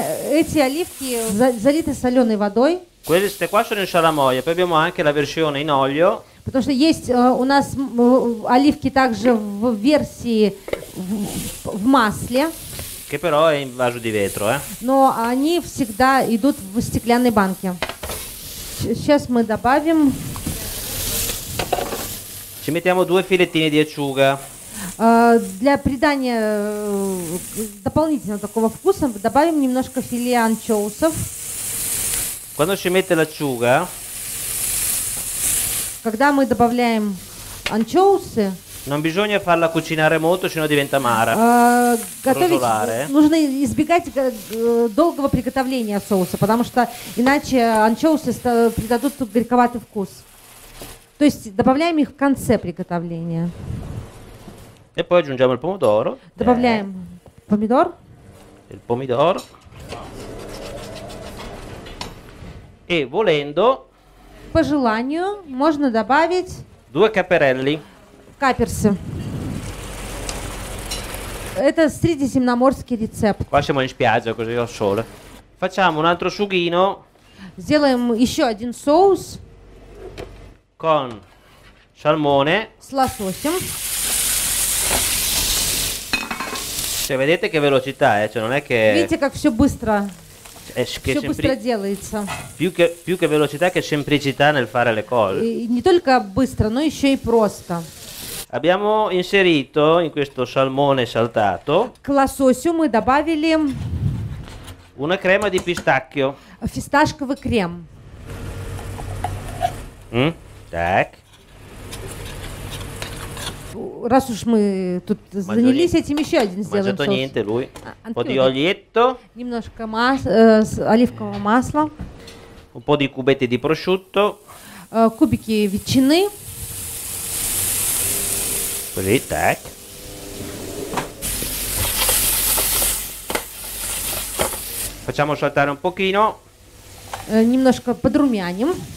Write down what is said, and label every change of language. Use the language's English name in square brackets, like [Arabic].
[Russian] Эти оливки залиты соленой водой. [Italian] Queste qua sono in salamoia. Poi abbiamo anche la versione in olio. [Russian] Потому что есть у нас оливки также в версии в масле. [Italian] Che però è in vaso di vetro, eh? [Russian] Но они всегда идут в стеклянной банке. Сейчас мы добавим. [Italian] Ci mettiamo due filettini di acciuga. [Russian] Для придания дополнительного такого вкуса добавим немножко филе анчоусов. [Italian] Quando si mette l'acciuga? [Russian] Когда мы добавляем анчоусы? [Italian] Non bisogna farla cucinare molto, sennò diventa amara. [Russian] Готовить нужно избегать долгого приготовления соуса, потому что иначе анчоусы придадут тут горьковатый вкус. То есть добавляем их в конце приготовления. [Italian] E poi aggiungiamo il pomodoro. [Russian] Добавляем помидор. [Italian] Il pomidoro. E volendo. [Russian] По желанию можно добавить. [Italian] Due caperelli. [Russian] Каперсы. Это средиземноморский рецепт. [Italian] Qua siamo in spiaggia, così al sole. Facciamo un altro sughino. [Russian] Сделаем еще один соус. [Italian] Con salmone. [Russian] С лососем. [Italian] Cioè, vedete che velocità, cioè non è che. [Russian] Видите, как все быстро. Все быстро делается. [Italian] Più che velocità, che semplicità nel fare le cose. [Russian] Не только быстро, но еще и просто. [Italian] Abbiamo inserito in questo salmone saltato. [Russian] К лососю мы добавили. [Italian] Una crema di pistacchio. [Russian] Фисташковый крем. Так. Раз уж мы тут занялись этим, еще один сделаем соус. [Italian] Niente, lui. Un po' di olietto. [Russian] Немножко оливкового масла. [Italian] Un po' di cubetti di prosciutto. [Russian] Кубики ветчины. [Italian] Così, tac. Facciamo saltare un pochino. [Russian] Немножко подрумянем.